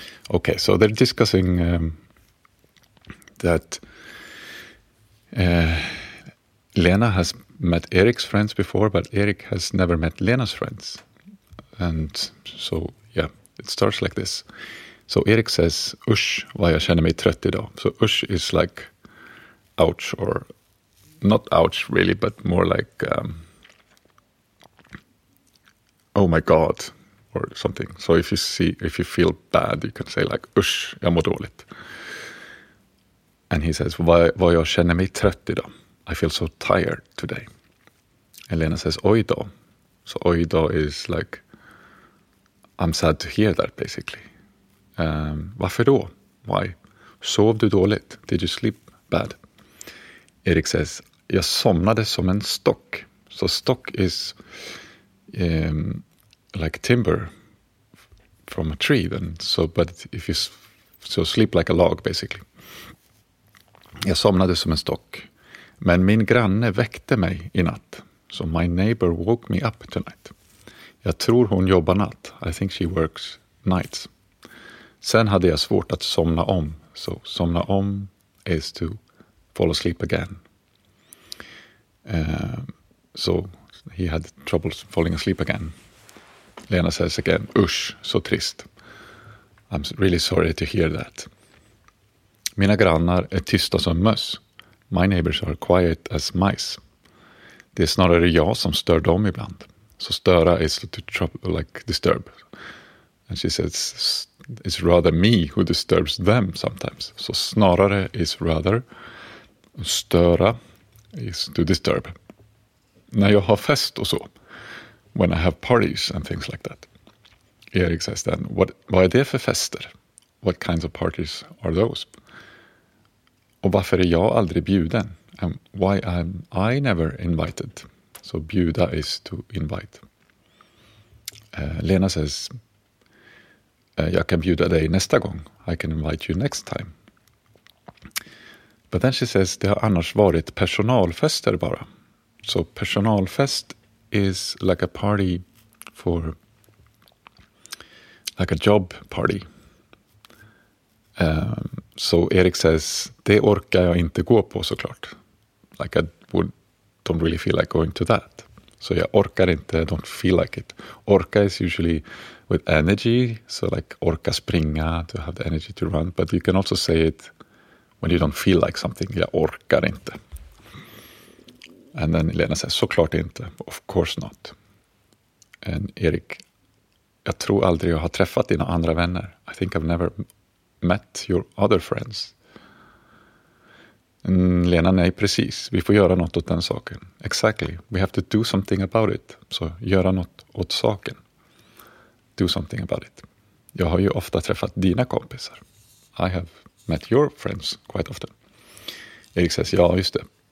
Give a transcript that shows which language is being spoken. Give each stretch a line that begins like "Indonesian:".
English: Okay, so they're discussing that Lena has met Erik's friends before, but Erik has never met Lena's friends. And so, yeah, it starts like this. So Erik says,
Swedish: usch, vad jag känner mig trött idag.
English: So usch is like, ouch, or not ouch really, but more like, oh my God, or something. So if you feel bad, you can say like,
Swedish: usch, jag mår dåligt.
English: And he says,
Swedish: vad jag känner mig trött idag.
English: I feel so tired today. And Lena says,
Swedish: oj då.
English: So oj då is like, I'm sad to hear that, basically.
Swedish: Varför då?
English: Why?
Swedish: Sov du dåligt?
English: Did you sleep bad? Erik says,
Swedish: jag somnade som en stock.
English: So stock is like timber from a tree. Then. So, but if you sleep like a log, basically.
Swedish: Jag somnade som en stock. Men min granne väckte mig i natt.
English: So my neighbor woke me up tonight.
Swedish: Jag tror hon jobbar natt.
English: I think she works nights.
Swedish: Sen hade jag svårt att somna om.
English: So, somna om is to fall asleep again. So, he had trouble falling asleep again. Lena says again,
Swedish: usch, så trist.
English: I'm really sorry to hear that.
Swedish: Mina grannar är tysta som möss.
English: My neighbors are quiet as mice.
Swedish: Det är snarare jag som stör dem ibland.
English: So störa is to trouble, like disturb. And she says, it's rather me who disturbs them sometimes. So snarare is rather. Störa is to disturb.
Swedish: När jag har fest och så.
English: When I have parties and things like that. Erik says then,
Swedish: vad är det för fester?
English: What kinds of parties are those?
Swedish: Och varför är jag aldrig bjuden?
English: And why am I never invited? So bjuda is to invite. Lena says,
Swedish: jag kan bjuda dig nästa gång.
English: I can invite you next time. But then she says,
Swedish: det har annars varit personalfester bara.
English: So personalfest is like a party for, like a job party. So Erik says,
Swedish: det orkar jag inte gå på såklart.
English: Like I would, don't really feel like going to that. So
Swedish: jag orkar inte,
English: don't feel like it. Orka is usually with energy, so like
Swedish: orka springa,
English: to have the energy to run. But you can also say it when you don't feel like something.
Swedish: Jag orkar inte.
English: And then Lena says,
Swedish: såklart inte.
English: Of course not.
Swedish: And Erik, jag tror aldrig jag har träffat dina andra vänner.
English: I think I've never met your other friends.
Swedish: Lena, nej, precis. Vi får göra något åt den saken.
English: Exactly. We have to do something about it.
Swedish: Så göra något åt saken.
English: Do something about it.
Swedish: Jag har ju ofta träffat dina kompisar.
English: I have met your friends quite often. Erik says,
Swedish: ja, just det.